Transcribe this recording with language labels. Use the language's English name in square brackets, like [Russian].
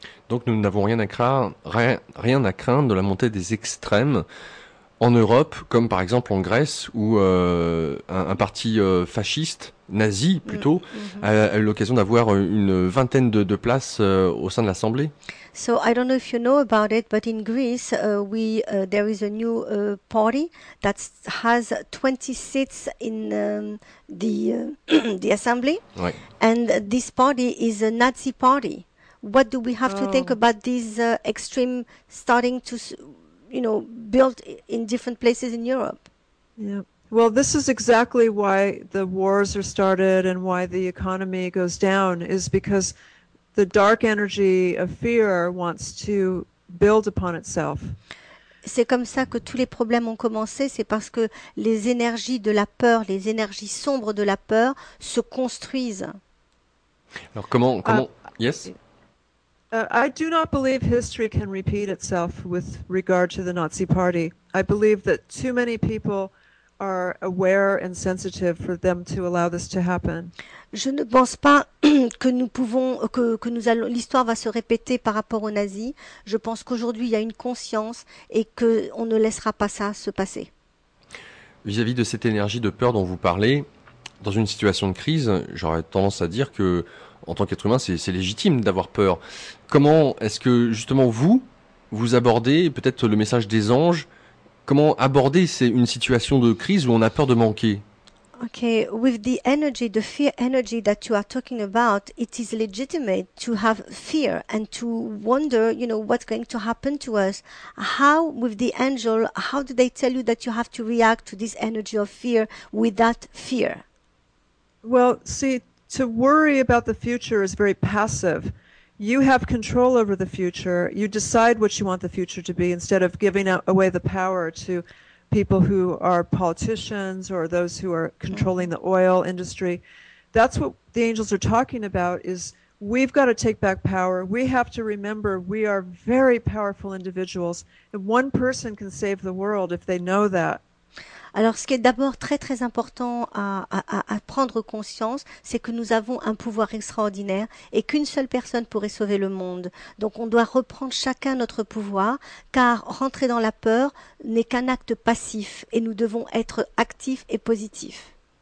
[French] Donc, nous n'avons rien à craindre de la montée des extrêmes en Europe, comme par exemple en Grèce, où un parti fasciste, nazi plutôt, a eu l'occasion d'avoir une vingtaine de places au sein de l'Assemblée. [English] So I don't know if you know about it, but in Greece, there is a new party that has 20 seats in the assembly, [French] oui. [English] And this party is a Nazi party. What do we have to think about these extreme starting to, you know, build in different places in Europe? Yeah. Well, this is exactly why the wars are started and why the economy goes down, is because the dark energy of fear wants to build upon itself. [French] C'est comme ça que tous les problèmes ont commencé, c'est parce que les énergies de la peur, les énergies sombres de la peur se construisent. Alors comment yes? [English] I do not believe history can repeat itself with regard to the Nazi Party. I believe that too many people are aware and sensitive for them to allow this to happen. [French] Je ne pense pas que nous pouvons que nous allons l'histoire va se répéter par rapport aux nazis. Je pense qu'aujourd'hui il y a une conscience et que on ne laissera pas ça se passer. Vis-à-vis de cette énergie de peur dont vous parlez, dans une situation de crise, j'aurais tendance à dire que en tant qu'être humain, c'est légitime d'avoir peur. Comment est-ce que justement vous abordez peut-être le message des anges? Comment aborder c'est une situation de crise où on a peur de manquer? [English] Okay, with the energy, the fear energy that you are talking about, it is legitimate to have fear and to wonder, you know, what's going to happen to us. How, with the angel, how do they tell you that you have to react to this energy of fear with that fear? Well, see, to worry about the future is very passive. You have control over the future. You decide what you want the future to be instead of giving away the power to people who are politicians or those who are controlling the oil industry. That's what the angels are talking about, is we've got to take back power. We have to remember we are very powerful individuals. And one person can save the world if they know that. [French] Alors, ce qui est d'abord très, très important à prendre conscience, c'est que nous avons un pouvoir extraordinaire et qu'une seule personne pourrait sauver le monde. Donc, on doit reprendre chacun notre pouvoir, car rentrer dans la peur n'est qu'un acte passif et nous devons être actifs et positifs.